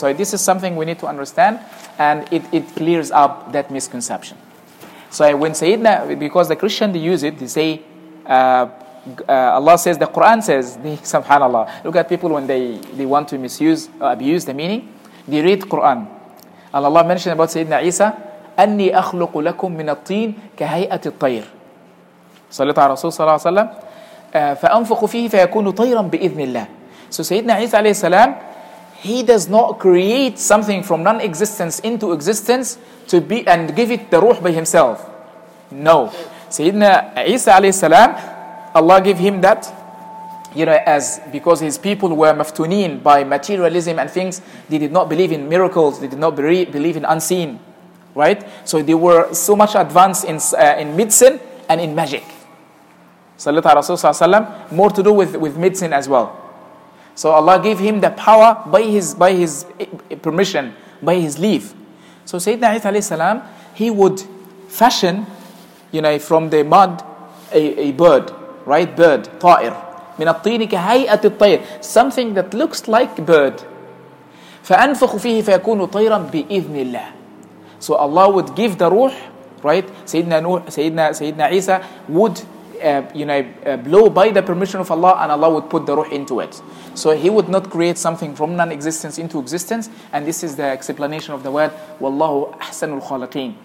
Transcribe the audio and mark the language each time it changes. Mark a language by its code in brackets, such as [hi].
[en] So this is something we need to understand, and it clears up that misconception. So when Sayyidina, because the Christian they use it, they say, Allah says, the Quran says, subhanAllah, look at people when they want to misuse or abuse the meaning, they read Quran. And Allah mentioned about Sayyidina Isa, [ar] أَنِّي أَخْلُقُ لَكُم مِّنَ الطِّينِ كَهَيْئَةِ الطَّيْرِ. صلى الله عليه وسلم, فَأَنْفُخُ فِيهِ فَيَكُونُ طَيْرًا بِإِذْنِ اللَّهِ. [en] So Sayyidina Isa alayhi salam, he does not create something from non-existence into existence to be and give it the ruh by himself. No. Sayyidina Isa alayhi salam, Allah gave him that, you know, as because his people were maftuneen by materialism and things, they did not believe in miracles, they did not believe in unseen, right? So they were so much advanced in medicine and in magic. Sallallahu alayhi wa sallam, more to do with medicine as well. So Allah gave him the power by his permission, by his leave. So Sayyidina Isa alayhi salam, he would fashion, you know, from the mud, a bird, right? Bird, ta'ir. [ar] من الطين كهيئة الطير, [en] something that looks like bird. [ar] فأنفخ فيه فيكون طيرا بإذن الله. [en] So Allah would give the ruh, right? Sayyidina Isa would blow by the permission of Allah, and Allah would put the ruh into it. So he would not create something from non-existence into existence, and this is the explanation of the word wallahu ahsanul khaliqin.